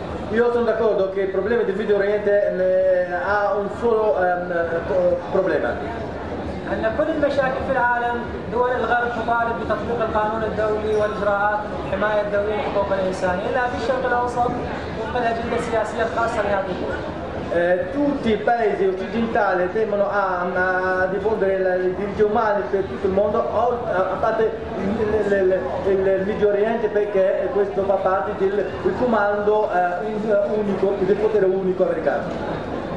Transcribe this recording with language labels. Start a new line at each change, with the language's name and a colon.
Italian: Io sono d'accordo che il problema del Medio Oriente ha un solo problema.
Arabic: أن كل المشاكل في العالم دول الغرب تطالب بتطبيق القانون الدولي والإجراءات الحماية الدولية لحقوق الإنسان إلا في الشرق الأوسط وفق الأجندة السياسية الخاصة لهذه الدول.
Italian: Tutti i paesi occidentali temono a diffondere i diritti umani per tutto il mondo, a parte il Medio Oriente, perché questo fa parte del comando unico, del potere unico americano.